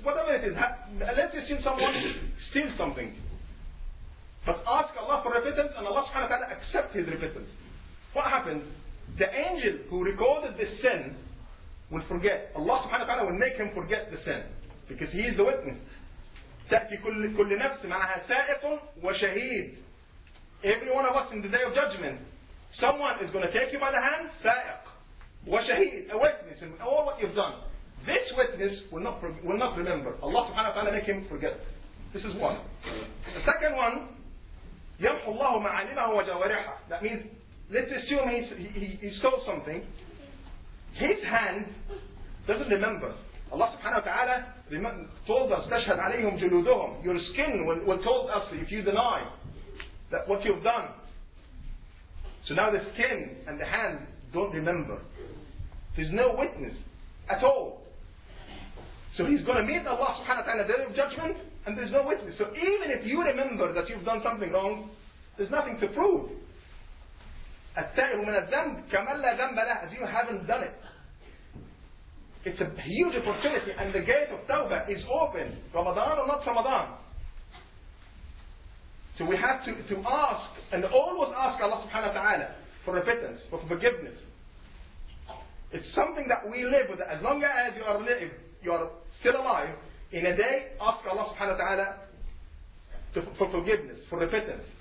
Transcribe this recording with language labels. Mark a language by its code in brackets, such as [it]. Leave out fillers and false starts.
[en] Whatever it is, unless you've seen someone steal something. But ask Allah for repentance and Allah subhanahu wa ta'ala accepts his repentance. What happens? The angel who recorded this sin will forget. Allah subhanahu wa ta'ala will make him forget the sin. Because he is the witness. [ar] تأتي كل نفس معها سائق وشهيد. [en] Every one of us in the day of judgment, someone is going to take you by the hand, [ar] سائق وشهيد, [en] a witness in all what you've done. This witness will not remember. Allah subhanahu wa ta'ala make him forget. This is one. The second one, [ar] يَمْحُ اللَّهُ مَعَالِمَهُ وَجَوَارِحَهُ. [en] That means, let's assume he stole something. His hand doesn't remember. Allah subhanahu wa ta'ala told us, [ar] تَشْهَدْ عَلَيْهُمْ جُلُودُهُمْ. [en] Your skin will told us if you deny that what you've done. So now the skin and the hand don't remember. There's no witness at all. So he's going to meet Allah subhanahu wa ta'ala the day of judgment, and there's no witness. So even if you remember that you've done something wrong, there's nothing to prove. [ar] التَّائِرُ مِنَ الذَّنْبِ كَمَنْ لَا ذَنْبَ لَهُ, [en] as you haven't done it. It's a huge opportunity, and the gate of tawbah is open, Ramadan or not Ramadan. So we have to ask, and always ask Allah subhanahu wa ta'ala for repentance, for forgiveness. It's something that we live with. As long as you are still alive, in a day, ask Allah subhanahu wa ta'ala for forgiveness, for repentance.